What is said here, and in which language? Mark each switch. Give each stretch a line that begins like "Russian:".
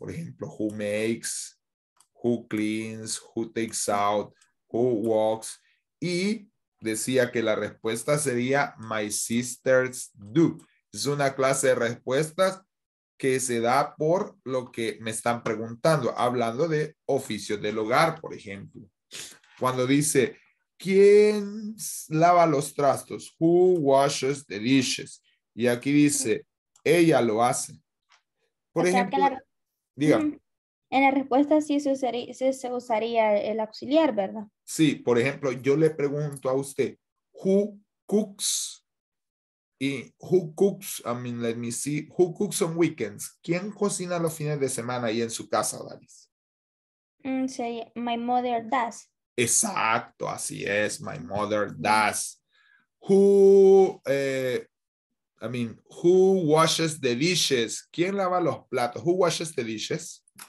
Spanish: Por ejemplo,
English: who makes, who cleans, who takes out, who walks.
Spanish: Y decía que la respuesta sería
English: my sisters do.
Spanish: Es una clase de respuestas que se da por lo que me están preguntando, hablando de oficios del hogar, por ejemplo. Cuando dice, ¿quién lava los trastos?
English: Who washes the dishes?
Spanish: Y aquí dice, ella lo hace. Por ejemplo, en la respuesta se usaría el auxiliar, ¿verdad? Sí, por ejemplo, yo le pregunto a usted,
English: ¿who cooks?
Spanish: Y
English: who cooks, I mean, let me see, who cooks on weekends?
Spanish: ¿Quién cocina los fines de semana ahí en su casa, Dalis?
English: Say, my mother does.
Spanish: Exacto, así es,
English: my mother does. Who washes the dishes?
Spanish: ¿Quién lava los platos?
English: Who washes the dishes?